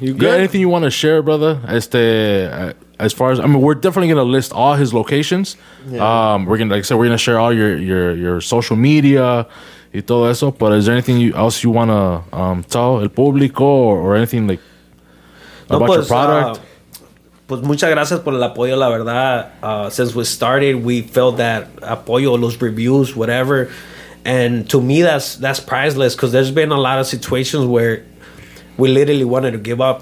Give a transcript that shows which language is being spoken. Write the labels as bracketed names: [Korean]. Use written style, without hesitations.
[English] You good? Anything you want to share, brother? As far as, I mean, we're definitely going to list all his locations. Yeah. We're going to, like I said, we're going to share all your social media [Spanish] y todo eso. [English] But is there anything else you want to tell el público or anything like about your product? [Spanish] Pues muchas gracias por el apoyo, la verdad. [English] Since we started, we felt that apoyo, los reviews, whatever. And to me, that's priceless because there's been a lot of situations where we literally wanted to give up.